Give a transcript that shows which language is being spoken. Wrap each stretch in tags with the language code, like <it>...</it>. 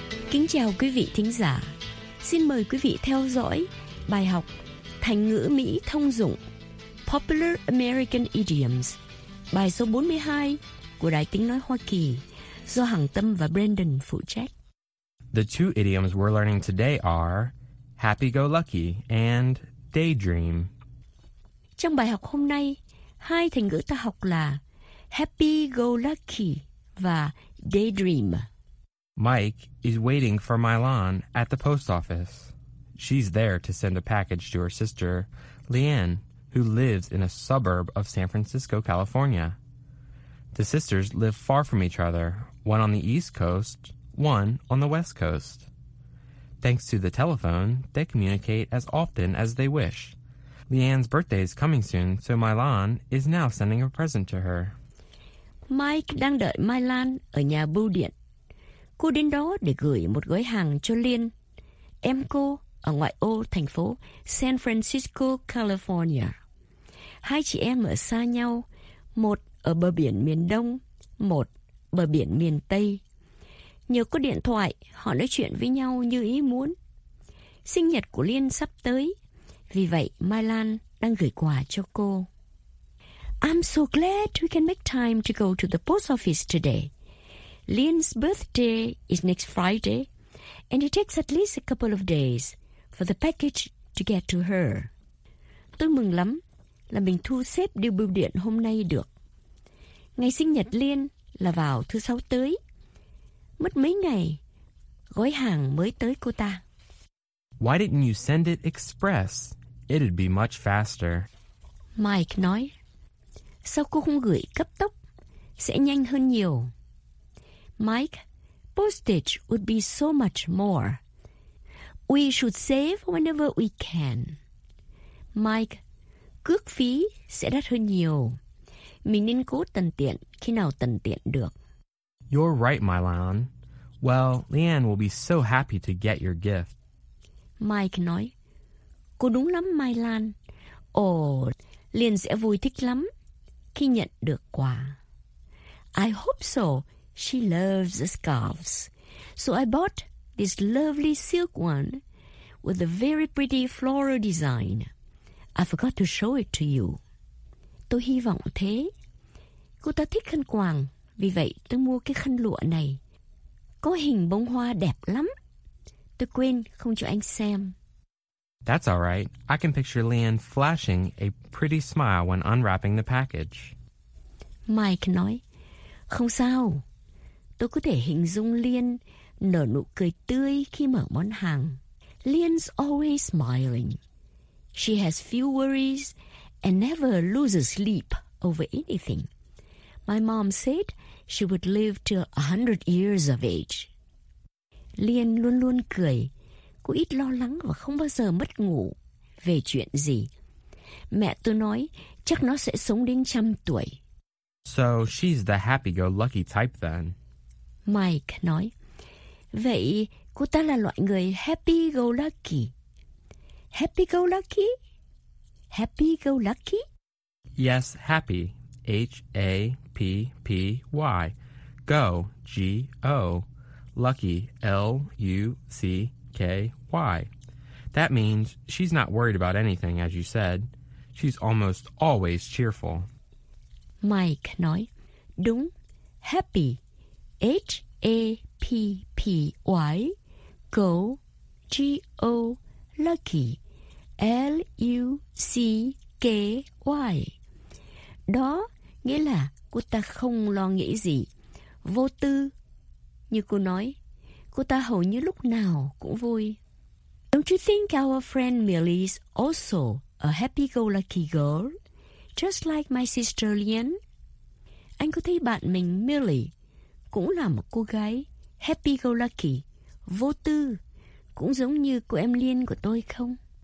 <vi>Kính chào quý vị thính giả. Xin mời quý vị theo dõi bài học Thành ngữ Mỹ thông dụng Popular American Idioms, bài số 42 của Đài Tiếng Nói Hoa Kỳ, do Hằng Tâm và Brandon phụ trách.</vi> <en>The two idioms we're learning today are happy-go-lucky and daydream.</en> <vi>Trong bài học hôm nay, hai thành ngữ ta học là happy-go-lucky và daydream.</vi> <en>Mike is waiting for Mylon at the post office. She's there to send a package to her sister, Leanne, who lives in a suburb of San Francisco, California. The sisters live far from each other, one on the East Coast, one on the West Coast. Thanks to the telephone, they communicate as often as they wish. Leanne's birthday is coming soon, so Mylon is now sending a present to her.</en> <vi>Mike đang đợi Mylon ở nhà bưu điện. Cô đến đó để gửi một gói hàng cho Liên, em cô ở ngoại ô thành phố San Francisco, California. Hai chị em ở xa nhau, một ở bờ biển miền Đông, một bờ biển miền Tây. Nhờ có điện thoại, họ nói chuyện với nhau như ý muốn. Sinh nhật của Liên sắp tới, vì vậy Mai Lan đang gửi quà cho cô.</vi> <en>I'm so glad we can make time to go to the post office today. Lin's birthday is next Friday, and it takes at least a couple of days for the package to get to her.</en> <vi>Tôi mừng lắm là mình thu xếp điều bưu điện hôm nay được. Ngày sinh nhật Lin là vào thứ sáu tới. Mất mấy ngày, gói hàng mới tới cô ta.</vi> <en>Why didn't you send it express? It'd be much faster.</en> <vi>Mike nói, sao cô không gửi cấp tốc? Sẽ nhanh hơn nhiều.</vi> <en>Mike, postage would be so much more. We should save whenever we can.</en> <vi>Mike, cước phí sẽ đắt hơn nhiều. Mình nên cố tận tiện khi nào tận tiện được.</vi> <en>You're right, Mylon. Well, Leanne will be so happy to get your gift.</en> <vi>Mike nói, cô đúng lắm, Mylon. Ồ, Leanne sẽ vui thích lắm khi nhận được quà.</vi> <en>I hope so. She loves the scarves. So I bought this lovely silk one with a very pretty floral design. I forgot to show it to you.</en> <vi>Tôi hy vọng thế. Cô ta thích khăn quàng, vì vậy tôi mua cái khăn lụa này. Có hình bông hoa đẹp lắm. Tôi quên không cho anh xem.</vi> <en>That's all right. I can picture Leanne flashing a pretty smile when unwrapping the package.</en> <vi>Mike nói, không sao. Tôi có thể hình dung Liên nở nụ cười tươi khi mở món hàng.</vi> <en>Liên's always smiling. She has few worries and never loses sleep over anything. My mom said she would live till 100 years of age.</en> <vi>Liên luôn luôn cười. Cô ít lo lắng và không bao giờ mất ngủ về chuyện gì. Mẹ tôi nói chắc nó sẽ sống đến 100 tuổi.</vi> <en>So she's the happy-go-lucky type then.</en> <vi>Mike nói, vậy cô ta là loại người happy-go-lucky.</vi> <en>Happy-go-lucky? Happy-go-lucky? Yes, happy. H-A-P-P-Y. Go, G-O. Lucky, L-U-C-K-Y. That means she's not worried about anything, as you said. She's almost always cheerful.</en> <vi>Mike nói, đúng,</vi> <en>happy, H-A-P-P-Y, go, G-O, lucky, L-U-C-K-Y.</en> <vi>Đó nghĩa là cô ta không lo nghĩ gì, vô tư. Như cô nói, cô ta hầu như lúc nào cũng vui.</vi> <en>Don't you think our friend Millie is also a happy-go-lucky girl, just like my sister Lien?</en> <vi>Anh có thấy bạn mình Millie cũng là một cô gái happy-go-lucky, vô tư, cũng giống như cô em Lien của tôi không?</vi>